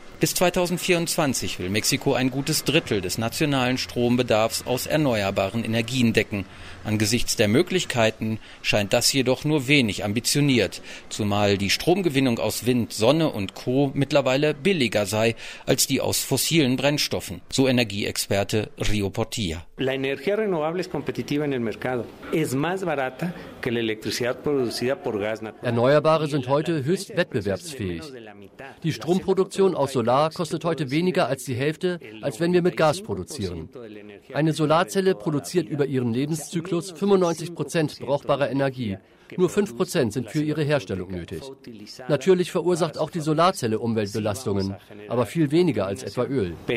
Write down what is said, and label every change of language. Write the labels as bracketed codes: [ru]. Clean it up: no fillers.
[de] Bis 2024 will Mexiko ein gutes Drittel des nationalen Strombedarfs aus erneuerbaren Energien decken. Angesichts der Möglichkeiten scheint das jedoch nur wenig ambitioniert, zumal die Stromgewinnung aus Wind, Sonne und Co. mittlerweile billiger sei als die aus fossilen Brennstoffen, so Energieexperte Río Portilla. [es] La energía renovable es competitiva en el mercado. Es más barata que la electricidad producida por gas natural. [de] Erneuerbare sind heute höchst wettbewerbsfähig. Die Stromproduktion aus Solar kostet heute weniger als die Hälfte, als wenn wir mit Gas produzieren. Eine Solarzelle produziert über ihren Lebenszyklus 95% brauchbarer Energie. Nur 5% sind für ihre Herstellung nötig. Natürlich verursacht auch die Solarzelle Umweltbelastungen, aber viel weniger als etwa Öl.